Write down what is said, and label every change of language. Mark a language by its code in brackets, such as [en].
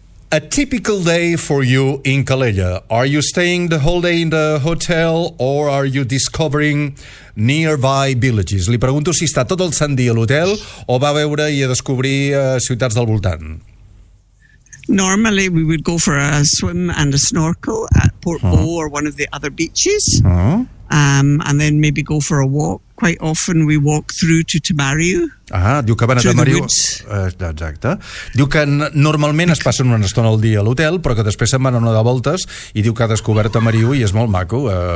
[en] A typical day for you in Calella. Are you staying the whole day in the hotel or are you discovering nearby villages? [ca] Li pregunto si està tot el sant dia a l'hotel o va a veure i a descobrir ciutats del voltant. [en] Normally we would go for a swim and a snorkel at Port Bow or one of the other beaches. And then maybe go for a walk. Quite often we walk through to Tamariu. [ca] Diu que van a Tamariu. Exacte. Diu que normalment es passen una estona al dia a l'hotel, però que després se'n van a una de voltes i diu que ha descobert Tamariu i és molt maco.